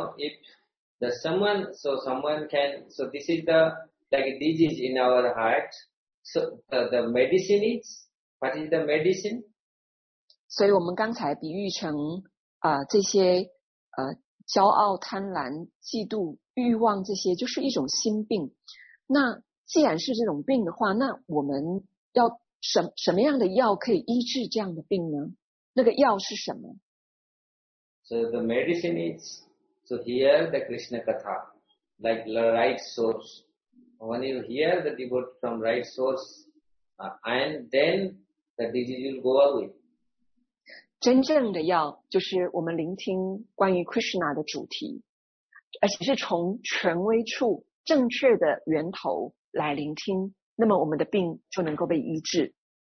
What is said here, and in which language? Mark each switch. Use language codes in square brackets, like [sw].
[en] No, if the someone can, so this is the like a disease in our heart. So the medicine is, what is the medicine? [zh] 所以我们刚才比喻成。这些骄傲、贪婪、嫉妒、欲望，这些就是一种心病。那既然是这种病的话，那我们要什么样的药可以医治这样的病呢？那个药是什么？ [en] So the medicine is, so hear the Krishna Katha, like the right source. When you hear the devotee from right source, and then the disease will go away. [zh] 真正的药就是我们聆听关于 Krishna 的主题，而且是从权威处正确的源头来聆听，那么我们的病就能够被医治。